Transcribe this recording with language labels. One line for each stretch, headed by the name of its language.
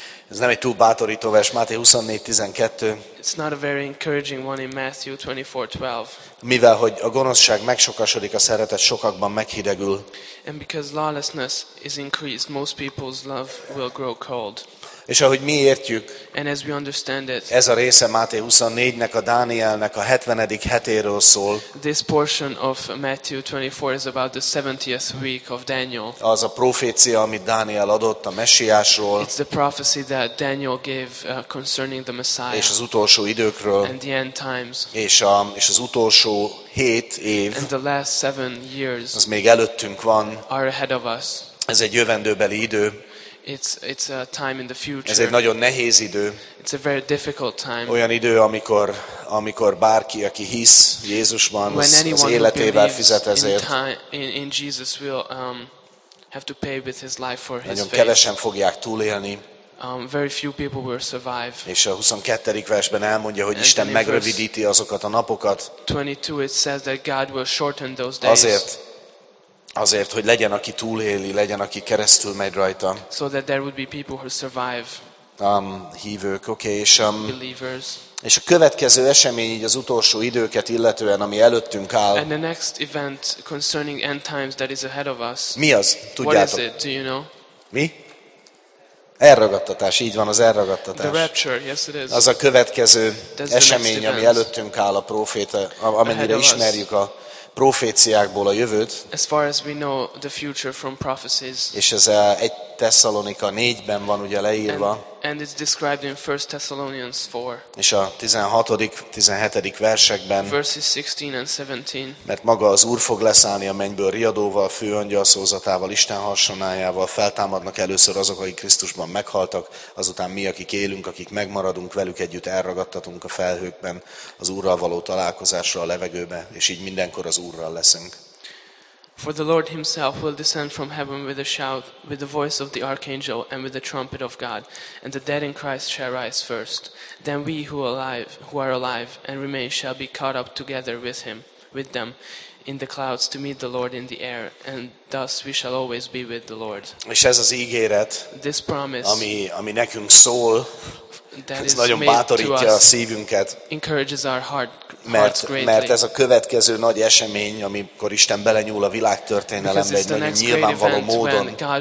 Hungarian: Ez nem egy túl bátorító vers, Máté 24:12.
English: It's not a very encouraging one in Matthew 24:12.
Hungarian: Mivel hogy a gonoszság megsokasodik, a szeretet sokakban meghidegül.
English: And because lawlessness is increased, most people's love will grow cold.
Hungarian: És ahogy mi értjük,
English: and as we understand it,
Hungarian: ez a része Máté 24-nek, a Dánielnek a 70. hetéről szól.
English: This portion of Matthew 24 is about the 70th week of Daniel.
Hungarian: Az a profécia, amit Dániel adott a Messiásról.
English: It's the prophecy that Daniel gave concerning the Messiah.
Hungarian: És az utolsó időkről.
English: And the end times.
Hungarian: És az utolsó 7 év.
English: And the last 7 years.
Hungarian: Az még előttünk van.
English: Are ahead of us.
Hungarian: Ez egy jövendőbeli idő.
English: It's a time in the future.
Hungarian: Ez egy nagyon nehéz idő.
English: It's a very difficult time.
Hungarian: Olyan idő, amikor bárki, aki hisz Jézusban, az életével fizet ezért.
English: In Jesus will have to pay with his life for his faith.
Hungarian: Nagyon kevesen fogják túlélni.
English: Very few people will survive.
Hungarian: És a 22. versben elmondja, hogy Isten megrövidíti azokat a napokat.
English: 22 it says that God will shorten those days.
Hungarian: Azért, hogy legyen, aki túléli, legyen, aki keresztül megy rajta.
English: So that there would be people who survive.
Hungarian: Hívők, oké, és
English: believers.
Hungarian: És a következő esemény így az utolsó időket illetően, ami előttünk áll.
English: And the next event concerning end times that is ahead of us.
Hungarian: Mi az? Tudjátok?
English: What is it? Do you know?
Hungarian: Mi? Elragadtatás, így van, az elragadtatás.
English: The rapture, yes it is.
Hungarian: Az a következő That's esemény, ami előttünk áll a proféta, amennyire ismerjük a proféciákból a jövőt.
English: As far as we know the future from prophecies.
Hungarian: És ez 1 Tesszalonika 4-ben van ugye leírva.
English: And it's described in 1 Thessalonians 4.
Hungarian: És a 16. 17. versekben.
English: Verses 16 and 17.
Hungarian: Mert maga az Úr fog leszállni a mennyből riadóval, főangyal szózatával, Isten harsonájával, feltámadnak először azok, akik Krisztusban meghaltak, azután mi, akik élünk, akik megmaradunk, velük együtt elragadtatunk a felhőkben, az Úrral való találkozásra a levegőbe, és így mindenkor az Úrral leszünk.
English: For the Lord himself will descend from heaven with a shout, with the voice of the archangel, and with the trumpet of God, and the dead in Christ shall rise first. Then we who are alive and remain shall be caught up together with them in the clouds to meet the Lord in the air, and thus we shall always be with the Lord.
Hungarian: És ez az ígéret,
English: this promise,
Hungarian: ami nekünk szól, that ez nagyon bátorítja a szívünket,
English: encourages our heart.
Hungarian: Mert ez a következő nagy esemény, amikor Isten belenyúl a világtörténelembe egy nagyon nyilvánvaló módon.